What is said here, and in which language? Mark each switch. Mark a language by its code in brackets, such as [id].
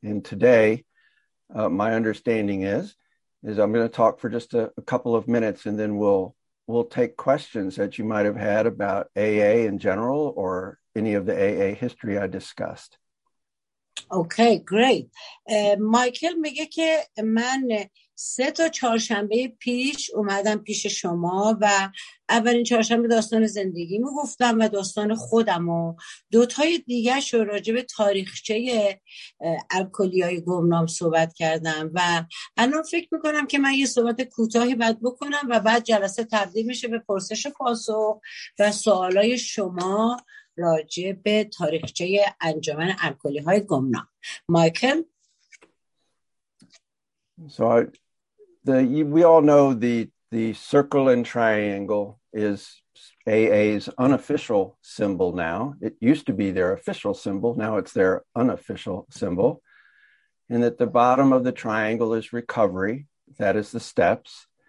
[en] And today, my understanding is I'm going to talk for just a couple of minutes, and then we'll take questions that you might have had about AA in general or any of the AA history I discussed. Okay, great. [fa] مایکل میگه که من سه تا چهارشنبه پیش اومدم پیش شما و اولین چهارشنبه داستان زندگیمو گفتم و داستان خودم و دوتای دیگه شو راجع به تاریخچه الکلی‌های گمنام صحبت کردم و الان فکر میکنم که من یه صحبت کوتاهی بعد بکنم و بعد جلسه تبدیل میشه به پرسش و پاسخ و سوالای شما راجع به تاریخچه انجمن الکلی های گمنام. مایکل [en] So we all know the circle and triangle is AA's unofficial symbol now. It used to be their official symbol. Now it's their unofficial symbol. And at the bottom of the triangle is recovery. That is the steps.